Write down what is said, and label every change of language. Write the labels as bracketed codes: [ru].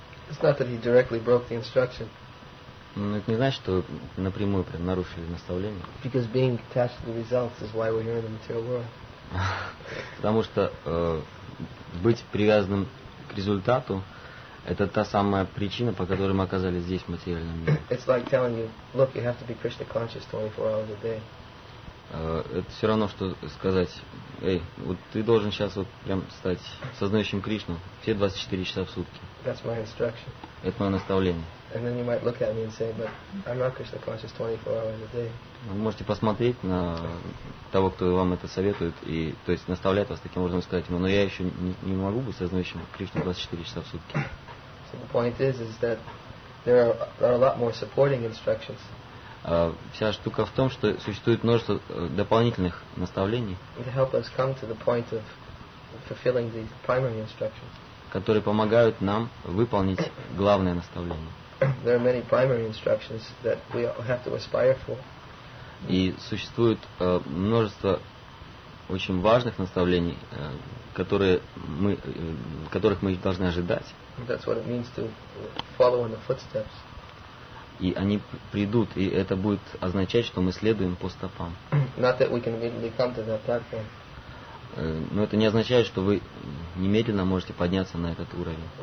[en] It's not that he directly broke the instruction. [ru] Это не значит, что напрямую прям нарушили наставление. [en] Because being attached to the results is why we're here in the material world. [ru] Потому что быть привязанным к результату – это та самая причина, по которой мы оказались здесь, в материальном мире. [en] It's like telling you, look, you have to be Krishna conscious 24 hours a day. [ru] Это все равно, что сказать, эй, вот ты должен сейчас вот прям стать сознающим Кришну все 24 часа в сутки. [en] That's my instruction. [ru] Это мое наставление. [en] And then you might look at me and say, but I'm not Krishna conscious 24 hours a day. [ru] Вы можете посмотреть на того, кто вам это советует, и, то есть, наставляет вас таким образом, сказать ему, но я еще не могу быть сознающим Кришну 24 часа в сутки. [en] So the point is that there are a lot more supporting instructions. [ru] Вся штука в том, что существует множество дополнительных наставлений, [en] to help us come to the point of fulfilling the primary instructions. [ru] Которые помогают нам выполнить главное наставление. [en] There are many primary instructions that we have to aspire for. [ru] И существует множество очень важных наставлений, которых мы должны ожидать. [en] That's what it means to follow in the footsteps. [ru] И они придут, и это будет означать, что мы следуем по стопам. [en] Not that we can immediately come to that platform. [ru] Но это не означает, что вы немедленно можете подняться на этот уровень.